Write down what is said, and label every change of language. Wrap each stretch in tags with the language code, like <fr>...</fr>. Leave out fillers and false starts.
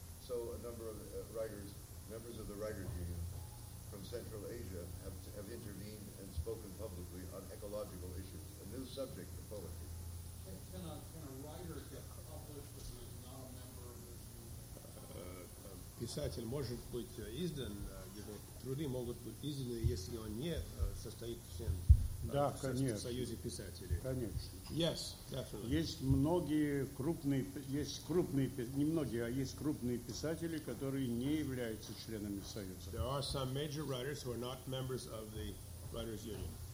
<en>So, a number of writers, members of the Writers Union from Central Asia, have intervened and spoken publicly on ecological issues, a new subject of poetry. Can a writer get published if he's not a member of this union?</en> <ru>Писатель может быть издан, его труды могут быть изданы, если он не состоит в член. Да, конечно. В Союзе писателей. Конечно.</ru> <en>Yes, definitely.</en> <ru>Есть многие крупные, крупные писатели, которые не являются членами Союза.</ru> <en>There are some major writers who are not members of the Writers Union.</en>